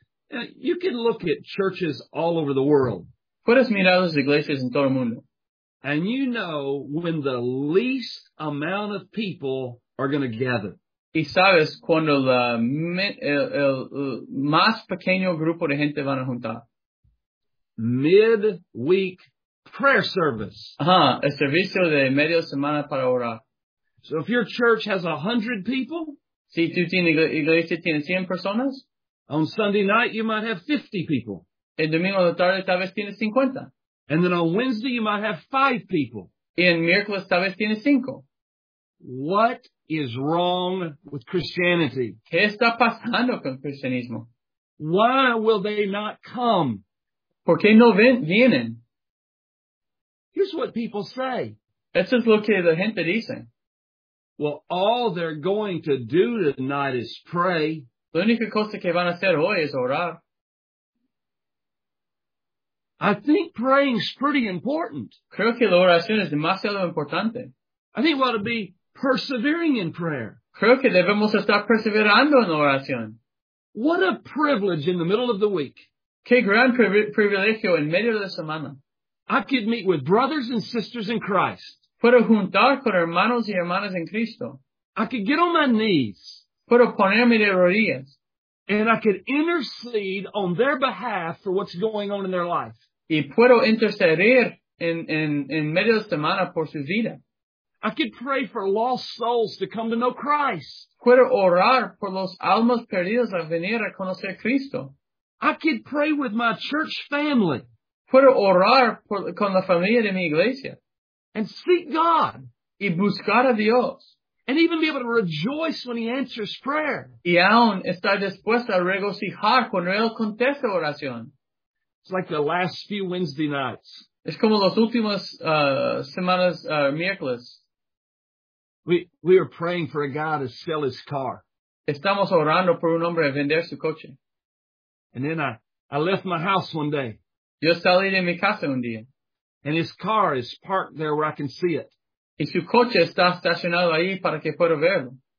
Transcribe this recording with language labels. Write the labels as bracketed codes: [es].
[en] You can look at churches all over the world. [es] Puedes mirar las iglesias en todo el mundo. [en] And you know when the least amount of people are going to gather. [es] Y sabes cuando el más pequeño grupo de gente van a juntar. [en] Mid-week prayer service. [es] El servicio de media semana para orar. [en] So if your church has 100 people. [es] Si tu iglesia tiene 100 personas. [en] On Sunday night you might have 50 people. [es] El domingo de tarde tal vez tienes 50. [en] And then on Wednesday you might have 5 people. [es] Y en miércoles tal vez tienes 5. [en] What is wrong with Christianity? [es] ¿Qué está pasando con el cristianismo? [en] Why will they not come? [es] ¿Por qué no vienen? [en] Here's what people say. [es] Eso es lo que la gente dice. [en] Well, all they're going to do tonight is pray. [es] La única cosa que van a hacer hoy es orar. [en] I think praying is pretty important. [es] Creo que la oración es demasiado importante. [en] I think we ought to be persevering in prayer. [es] Creo que debemos estar perseverando en la oración. [en] What a privilege in the middle of the week. [es] Qué gran privilegio en medio de la semana. [en] I could meet with brothers and sisters in Christ. [es] Puedo juntar con hermanos y hermanas en Cristo. [en] I could get on my knees. [es] Puedo ponerme de rodillas. [en] And I could intercede on their behalf for what's going on in their life. [es] Y puedo interceder en medio de la semana por su vida. [en] I could pray for lost souls to come to know Christ. [es] Puedo orar por los almas perdidas a venir a conocer Cristo. [en] I could pray with my church family. [es] Puedo orar con la familia de mi iglesia. [en] And seek God. [es] Y buscar a Dios. [en] And even be able to rejoice when he answers prayer. [es] Y aún estar dispuesto a regocijar cuando él contesta oración. [en] It's like the last few Wednesday nights. [es] Es como las últimas semanas, miércoles. [en] We are praying for a guy to sell his car. [es] Estamos orando por un hombre a vender su coche. [en] And then I left my house one day. [es] Yo salí de mi casa un día. [en] And his car is parked there where I can see it. [es] Y su coche está estacionado ahí para que pueda verlo.